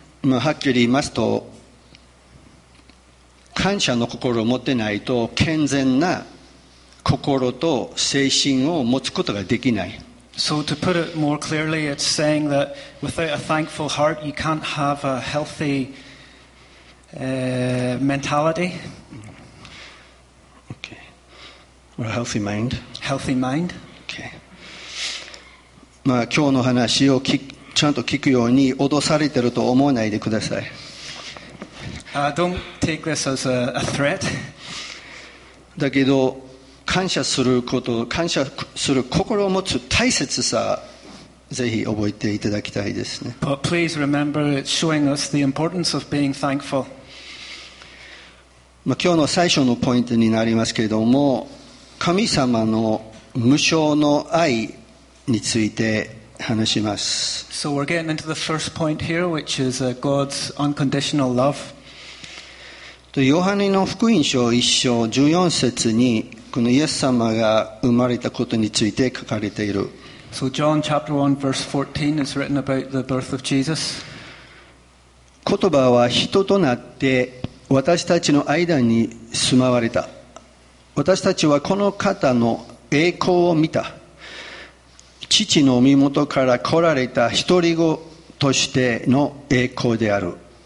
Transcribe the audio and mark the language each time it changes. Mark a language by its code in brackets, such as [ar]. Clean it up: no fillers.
[ja] まあはっきり言いますと、感謝の心を持ってないと健全な心と精神を持つことができない。 [en] So to put it more clearly, it's saying that without a thankful heart, you can't have a healthy mentality. Okay. Or a healthy mind. Healthy mind. Okay. [ja] まあ今日の話をちゃんと聞くように脅されてると思わないでください。 [en] Don't take this as a threat. [ja] だけど。感謝すること、感謝する心を持つ大切さ、ぜひ覚えていただきたいですね。 [en] But please remember, it's showing us the importance of being thankful. [ja] まあ、今日の最初のポイントになりますけれども、神様の無償の愛について話します。 [en] So we're getting into the first point here, which is God's unconditional love. [ja] ヨハネの福音書1章14節にこのイエス様が生まれたことについて書かれている。 [en] So John chapter 1 verse 14 is written about the birth of Jesus. [ja] 言葉は人となって私たちの間に住まわれた。私たちはこの方の栄光を見た。父の身元から来られた独り子としての栄光である。